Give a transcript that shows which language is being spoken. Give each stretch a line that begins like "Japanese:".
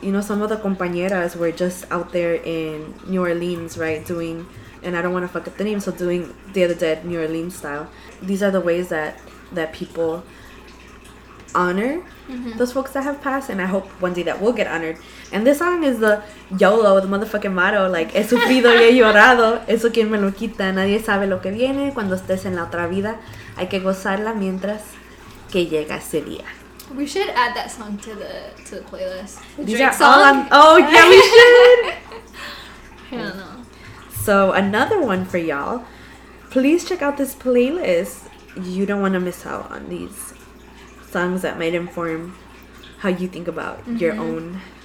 English: You know, some of the compañeras were just out there in New Orleans, right, doing... And I don't want to fuck up the name, so doing Day of the Dead, New Orleans style. These are the ways that people honor those folks that have passed. And I hope one day that we'll get honored. And this song is the YOLO, the motherfucking motto.
Spanish: Like, he sufrido y he llorado. Eso quien me lo quita. Nadie sabe lo que viene cuando estés en la otra vida. Hay que gozarla mientras que llega ese día.
English: We should add that song to the playlist. The Drake song? Oh, yeah, we should. I don't know. So another one for y'all, please check out this playlist. You don't want to miss out on these songs that might inform how you think about your own